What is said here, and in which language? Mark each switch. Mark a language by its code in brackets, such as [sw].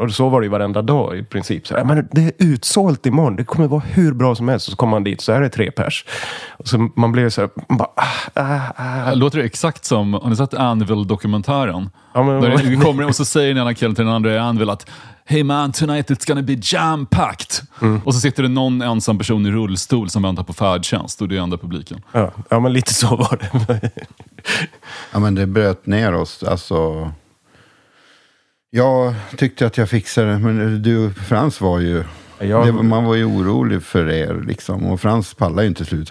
[sv] Och så var det ju varenda dag i princip. Så, men det är utsålt imorgon, det kommer vara hur bra som helst. Och så kom man dit, så här är det 3 pers. Och så man blev så här, Låter det exakt som, har ni sett Anvil-dokumentären? Ja, men, där du kommer och så säger den ena killen till den andra i Anvil att... [en] Hey man, tonight it's gonna be jam-packed. [sv] Mm. Och så sitter det någon ensam person i rullstol som väntar på färdtjänst och det är enda publiken. Ja, men lite så var det. Ja, men det bröt ner oss. Alltså, jag tyckte att jag fixade det, men du, Frans var ju... man var ju orolig för er, liksom. Och Frans pallade ju inte slut.